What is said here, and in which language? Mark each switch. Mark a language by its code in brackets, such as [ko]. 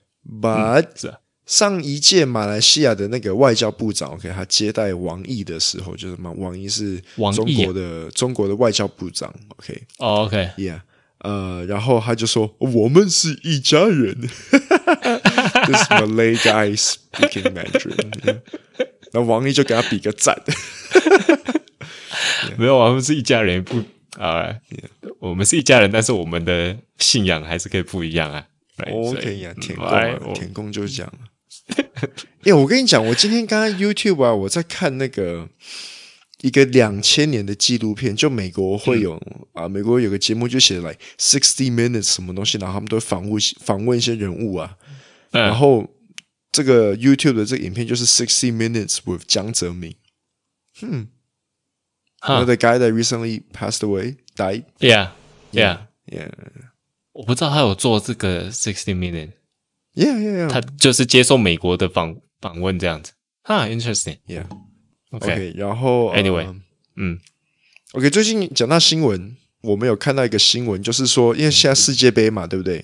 [zh] But、上一届马来西亚的那个外交部长 ，OK， 他接待王毅的时候，就是王毅是中国的、啊、中国的外交部长 ，OK，OK，、 [en] okay oh, okay. [zh] yeah， 然后他就说我们是一家人， [en] This Malay guy speaking Mandarin， [zh] 那、yeah. 王毅就给他比个赞，没有，我们是一家人，不，啊、 [en] yeah. ， [zh] 我们是一家人，但是我们的信仰还是可以不一样啊。 OK 呀，舔供，舔供就是这样。哎、欸，我跟你讲，我今天刚刚 YouTube 啊，我在看那个一个2000年的纪录片，就美国会有、嗯、啊，美国有个节目就写 like 60 minutes 什么东西，然后他们都访问一些人物啊，嗯、然后这个 YouTube 的这个影片就是 60 minutes with 江泽民，嗯。 [en] Huh. The guy that recently passed away, died. Yeah, yeah, yeah. [zh] 我不知道他有做这个 60 minute. [en] Yeah, yeah, yeah. [zh] 他就是接受美国的访问这样子。 [en] Huh, interesting. Yeah. Okay. Okay, 然后 anyway, 嗯 [zh] ，Okay, 最近讲到新闻，我们有看到一个新闻，就是说，因为现在世界杯嘛，对不对？